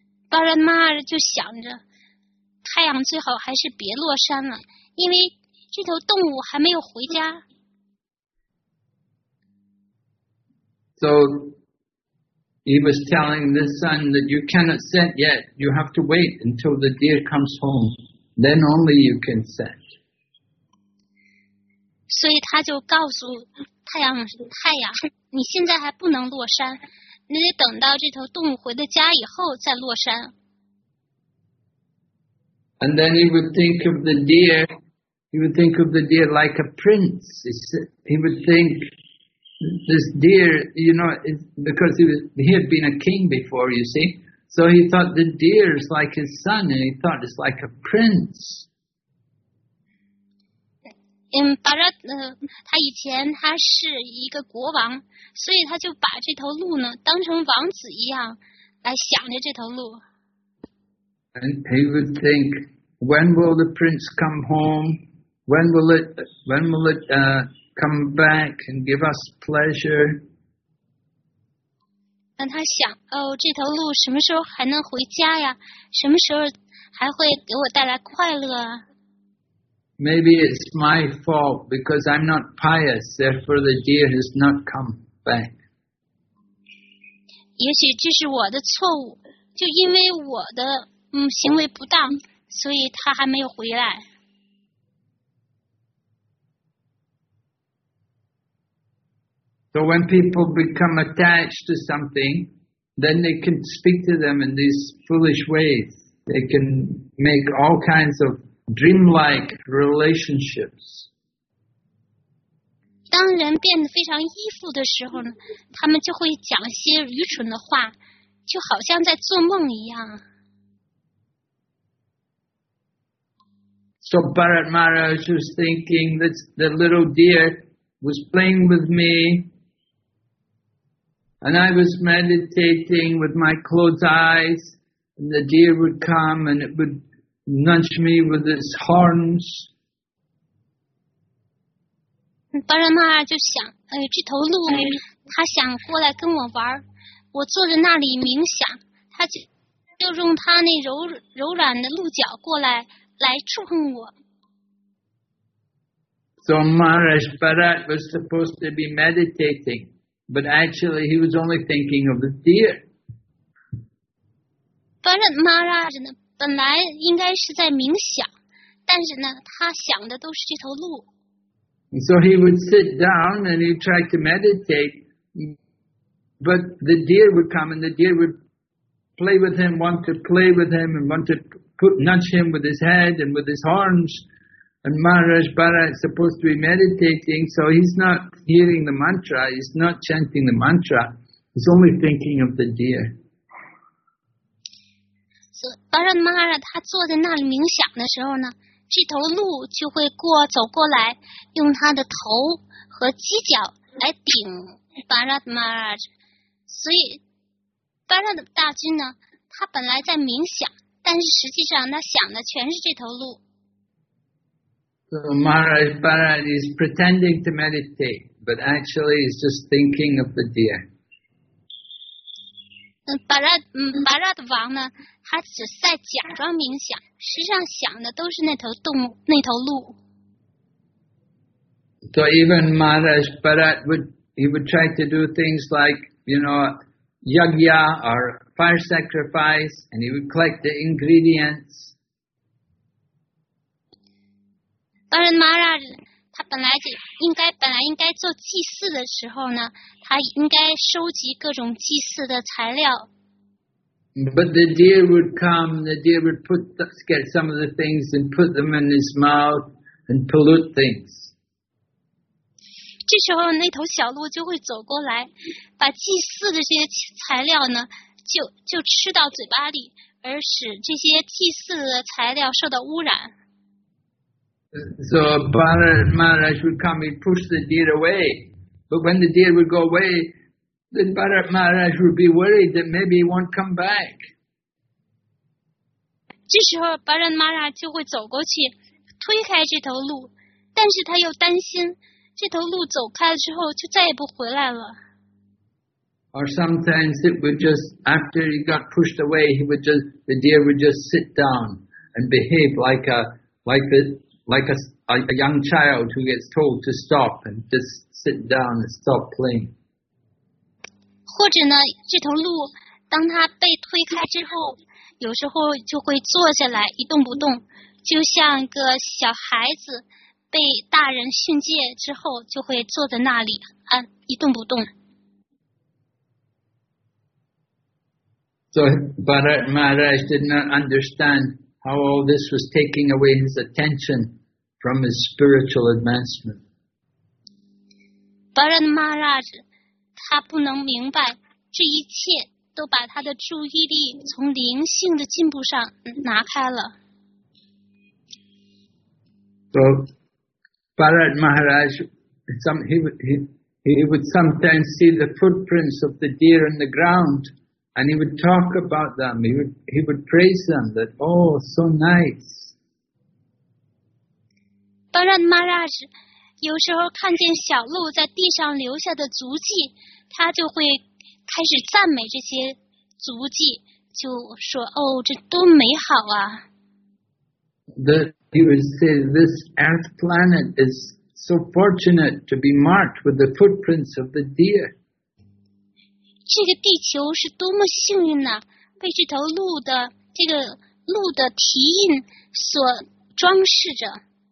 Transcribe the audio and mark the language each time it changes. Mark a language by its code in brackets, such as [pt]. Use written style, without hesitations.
[zh] Bharat Maharaj 就想着太阳最好还是别落山了，因为这头动物还没有回家。 [en] So he was telling the sun that you cannot set yet. You have to wait until the deer comes home. Then only you can set. [zh] 所以他就告诉太阳，你现在还不能落山，你得等到这头动物回到家以后再落山。 [en] And then he would think of the deer. He would think of the deer like a prince. He would think this deer, you know, because he had been a king before, you see. So he thought the deer is like his son, and he thought it's like a prince. [zh] Bharat, 他以前他是一个国王，所以他就把这头鹿呢当成王子一样来想着这头鹿。 [en] And he would think, when will the prince come home? When will it come back and give us pleasure? [zh] 但他想，哦，这头鹿什么时候还能回家呀？什么时候还会给我带来快乐啊？ [en] Maybe it's my fault because I'm not pious, therefore the deer has not come back. [zh] 也许这是我的错误，就因为我的行为不当，所以他还没有回来。 [en] So when people become attached to something, then they can speak to them in these foolish ways. They can make all kinds of dreamlike relationships. [zh] 当人变得非常依附的时候呢，他们就会讲一些愚蠢的话，就好像在做梦一样。 [en] So Bharat Maharaj was thinking that the little deer was playing with me. And I was meditating with my closed eyes, and the deer would come and it would nudge me with its horns. [zh] Bharat Maharaj 就想，哎，这头鹿，它想过来跟我玩。我坐在那里冥想，它就用它那柔软的鹿角过来触碰我。 [en] So Maharaj Bharat was supposed to be meditating. But actually, he was only thinking of the deer. [zh] Bharat Maharaj 呢，本来应该是在冥想，但是呢，他想的都是这头鹿。 [en] So he would sit down and he tried to meditate, but the deer would come and the deer would play with him, want to play with him, and want to nudge him with his head and with his horns. And Maharaj Bharat is supposed to be meditating, so he's not. Hearing the mantra, he's not chanting the mantra. He's only thinking of the deer. [zh] So Bharat Maharaj, 他坐在那里冥想的时候呢，这头鹿就会走过来，用它的头和犄角来顶 Bharat Maharaj. 所以 Bharat 大军呢，他本来在冥想，但是实际上他想的全是这头鹿。 [en] So Maharaj Bharat is pretending to meditate. But actually, he's just thinking of the deer. [zh] Bharat 王呢，他只在假装冥想，实际上想的都是那头动物，那头鹿。 [en] So even Maharaj Bharat would try to do things like, you know, yagya or fire sacrifice, and he would collect the ingredients. Bharat Maharaj. [zh] 他本来应该做祭祀的时候呢，他应该收集各种祭祀的材料。 [en] But the deer would come, the deer would get some of the things and put them in his mouth and pollute things. [zh] 这时候那头小鹿就会走过来，把祭祀的这些材料呢，就吃到嘴巴里，而使这些祭祀的材料受到污染。 [en] So Bharat Maharaj would come and push the deer away. But when the deer would go away, then Bharat Maharaj would be worried that maybe he won't come back. [zh] 这时候 Bharat Maharaj 就会走过去推开这头鹿，但是他又担心这头鹿走开了之后就再也不回来了。 [en] Or sometimes it would just, after he got pushed away, he would just, the deer would just sit down and behave like a young child who gets told to stop and just sit down and stop playing. [zh] 或者呢，这头鹿当它被推开之后，有时候就会坐下来一动不动，就像个小孩子被大人训诫之后就会坐在那里一动不动。 [en] So Bharat Maharaj did not understand how all this was taking away his attention from his spiritual advancement. [zh] Bharat Maharaj, 他不能明白这一切都把他的注意力从灵性的进步上拿开了。 [en] So, Bharat Maharaj, he would sometimes see the footprints of the deer in the ground, and he would talk about them. He would praise them. That oh, so nice. [zh] Bharat Maharaj, 有时候看见小鹿在地上留下的足迹，他就会开始赞美这些足迹，就说哦，这多美好啊！ [en] He would say, this earth planet is so fortunate to be marked with the footprints of the deer. [zh] 这个地球是多么幸运呢、啊、被这头鹿的这个鹿的蹄印所装饰着。